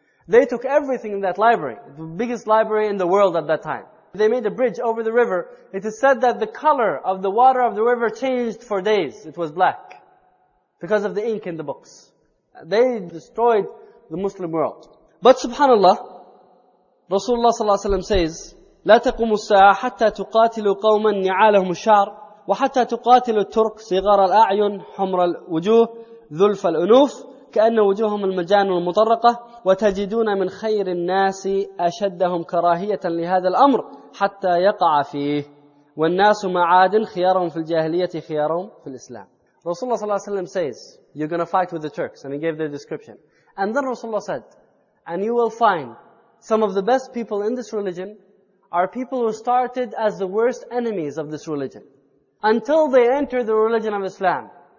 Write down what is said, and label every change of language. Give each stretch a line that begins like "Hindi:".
English: They took everything in that library. The biggest library in the world at that time. They made a bridge over the river. It is said that the color of the water of the river changed for days. It was black. Because of the ink in the books. They destroyed the Muslim world.
Arabic: But subhanAllah, Rasulullah sallallahu alayhi wa sallam says, لا تقوم الساعة حتى تقاتل قوما نعالهم الشعر وحتى تقاتل الترك صغار الأعين حمر الوجوه ذلف الأنوف كأن وجوههم المجان المطرقة وتجدون من خير الناس أشدهم كراهية لهذا الأمر حتى يقع فيه والناس معاد خيارهم في الجاهلية خيارهم في الإسلام.
English: Rasulullah sallallahu alayhi wa sallam says, you're going to fight with the Turks, and he gave the description. And then Rasulullah said, and you will find some of the best people in this religion are people who started as the worst enemies of this religion, until they enter the religion of Islam.